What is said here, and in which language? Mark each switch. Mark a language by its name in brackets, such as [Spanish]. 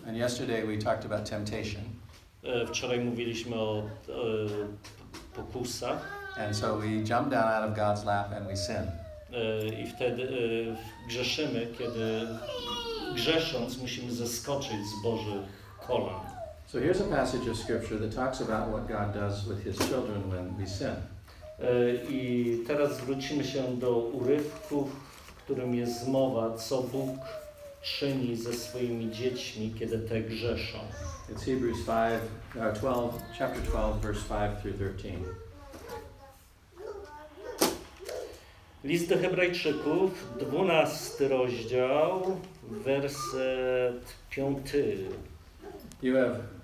[English] And yesterday we talked about temptation. [Polish] Wczoraj mówiliśmy o pokusach. [English] And so we jump down out of God's lap and we sin. [Polish] I wtedy grzeszymy, kiedy grzesząc musimy zeskoczyć z Bożych kolan. [English] So here's a passage of scripture that talks about what God does with his children when we sin. [Polish] I teraz zwrócimy się do urywku, w którym jest mowa, co Bóg czyni ze swoimi dziećmi, kiedy te grzeszą. [English] It's Hebrews 12, chapter 12, verse 5-13. [Polish] List do Hebrajczyków, 12 rozdział, werset 5. [English] You have